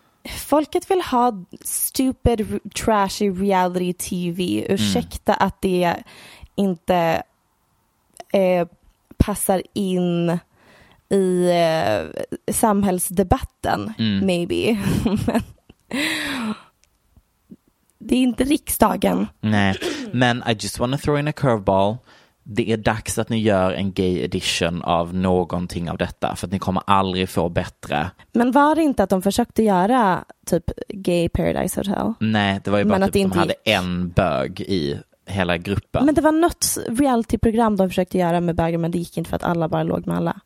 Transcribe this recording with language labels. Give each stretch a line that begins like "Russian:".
Swedish: Folket vill ha
English: stupid, trashy
Swedish: reality tv. Ursäkta, mm, att det inte passar in i samhällsdebatten, mm,
English: maybe.
Swedish: Det är inte riksdagen. Nej, men
English: I just want to throw in a curveball.
Swedish: Det är dags att ni gör en gay edition av någonting av detta. För att ni kommer aldrig få bättre. Men var det inte att de försökte göra typ gay Paradise Hotel? Nej, det var ju bara att typ, de hade en bög i hela gruppen. Men det var något reality-program de försökte göra med bögar, men det gick inte för att alla bara låg med alla.